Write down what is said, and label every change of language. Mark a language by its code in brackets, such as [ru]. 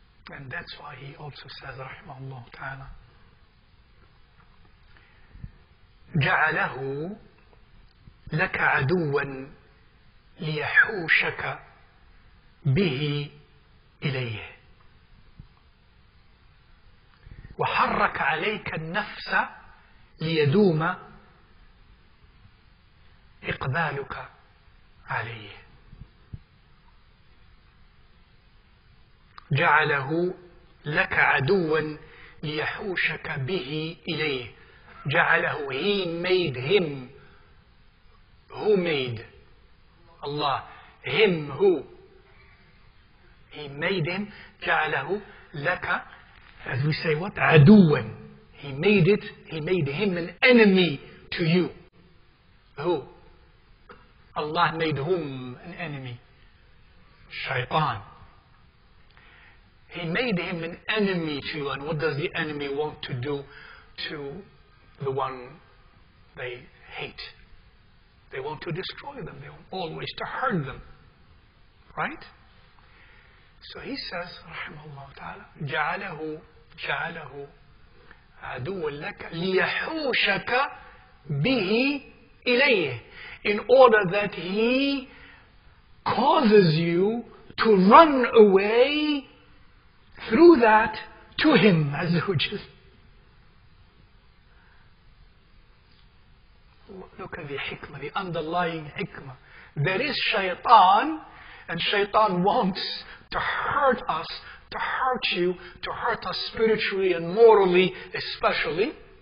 [en] And that's why he also says, Rahimahullah ta'ala, [ar] جَعَلَهُ لَكَ عَدُوًا لِيَحُوشَكَ بِهِ إِلَيْهِ وَحَرَّكَ عَلَيْكَ النَّفْسَ لِيَدُومَ إِقْبَالُكَ عَلَيْهِ. جعله لك عدوا ليحوشك به إليه. [en] جعله, he made him, who made Allah, him who, he made him, [ar] جعله لك, [en] as we say what, عدوا, he made it, he made him an enemy to you. Who? Allah made whom an enemy? Shaytan. He made him an enemy to you. And what does the enemy want to do to the one they hate? They want to destroy them. They want always to hurt them. Right? So he says, Rahimahullah ta'ala, [ar] جَعَلَهُ جَعَلَهُ عَدُوًا لَكَ لِيَحُوشَكَ بِهِ إِلَيْهِ. [en] In order that he causes you to run away through that to him, as the hujjah. Look at the hikmah, the underlying hikmah. There is shaitan, and shaitan wants to hurt us, to hurt you, to hurt us spiritually and morally especially.